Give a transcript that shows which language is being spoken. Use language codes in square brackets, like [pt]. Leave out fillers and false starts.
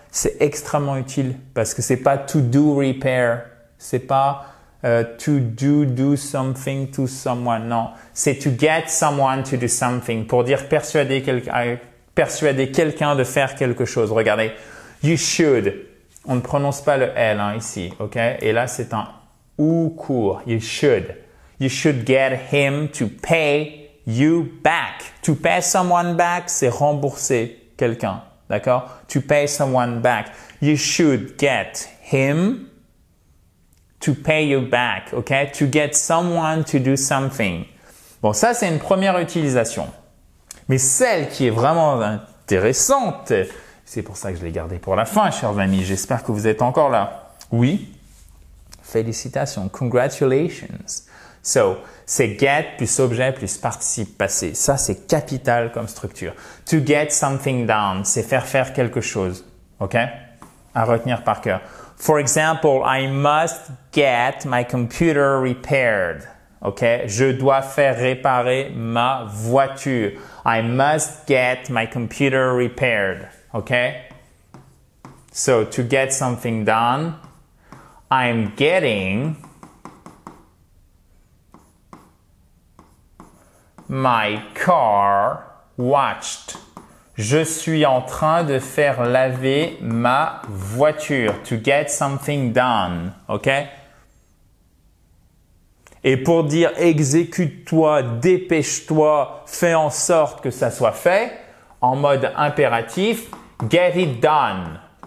[fr] C'est extrêmement utile parce que c'est pas [en] to do repair, [fr] c'est pas [en] to do something to someone. [fr] Non, c'est [en] to get someone to do something [fr] pour dire persuader quelqu'un de faire quelque chose. Regardez, [en] you should. [fr] On ne prononce pas le L hein, ici, ok? Et là, c'est un ou court. [en] You should. You should get him to pay you back. To pay someone back, [fr] c'est rembourser quelqu'un, d'accord? [en] To pay someone back. You should get him to pay you back, ok? To get someone to do something. [fr] Bon, ça, c'est une première utilisation. Mais celle qui est vraiment intéressante, c'est pour ça que je l'ai gardée pour la fin, chers amis. J'espère que vous êtes encore là. Oui. Félicitations. [en] Congratulations. [fr] So, c'est get plus objet plus participe passé. Ça, c'est capital comme structure. [en] To get something done, [fr] c'est faire faire quelque chose. [en] OK? [fr] À retenir par cœur. [en] For example, I must get my computer repaired. OK? [fr] Je dois faire réparer ma voiture. [en] I must get my computer repaired. OK? So, to get something done, I'm getting my car washed. [fr] Je suis en train de faire laver ma voiture. [en] To get something done. OK? [fr] Et pour dire exécute-toi, dépêche-toi, fais en sorte que ça soit fait, en mode impératif, [en] get it done.